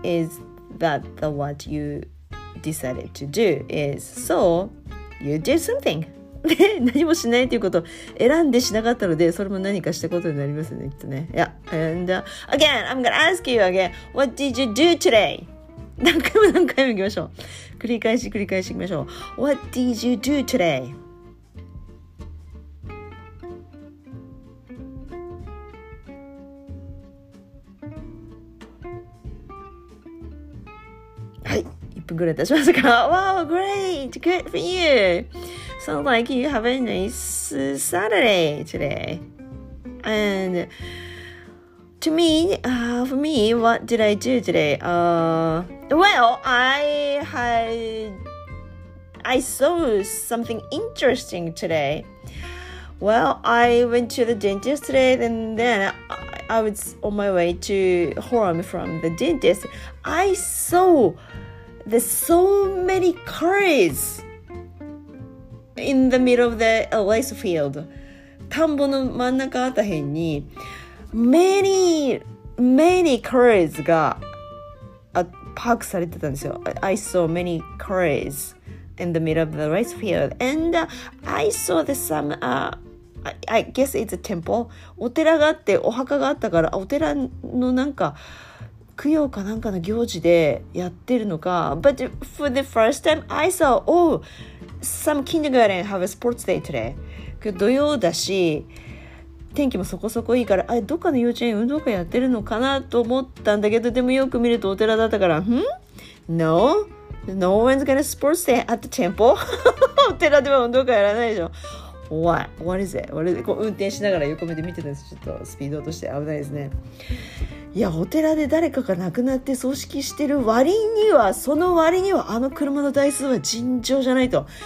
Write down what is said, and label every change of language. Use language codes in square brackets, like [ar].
[en] Is that the what you decided to do? Is so, you did something. [ja] で何もしないということを選んでしなかったので、それも何かしたことになりますねきっとね。 [en] Yeah. And, again I'm gonna ask you again What did you do today? [ja] 何回も何回も行きましょう、繰り返し繰り返し行きましょう。 [en] What did you do today? [ja] はい、1分ぐらい経ちますか。 [en] Wow, great! Good for youSounds like you have a nice Saturday today. And For me, what did I do today? I saw something interesting today. Well, I went to the dentist today, and then I was on my way to home from the dentist. I saw there's so many cars in the middle of the rice field. [ja] 田んぼの真ん中あたへんに [en] many many cars [ja] がパークされてたんですよ。 [en] I saw many cars in the middle of the rice field. And I saw the some, I guess it's a temple. [ja] お寺があってお墓があったから、お寺のなんか供養かなんかの行事でやってるのか。 [en] But for the first time I saw, oh, some kindergarten have a sports day today. [ja] 土曜だし天気もそこそこいいから、あれどっかの幼稚園運動会やってるのかなと思ったんだけど、でもよく見るとお寺だったから、ん No? [en] No one's gonna sports day at the temple? [ja] お寺では運動会やらないでしょ。 [en] What is it? [ja] こう運転しながら横目で見てたんです。ちょっとスピード落として危ないですね。いや、お寺で誰かが亡くなって葬式してる割には、その割にはあの車の台数は尋常じゃないと。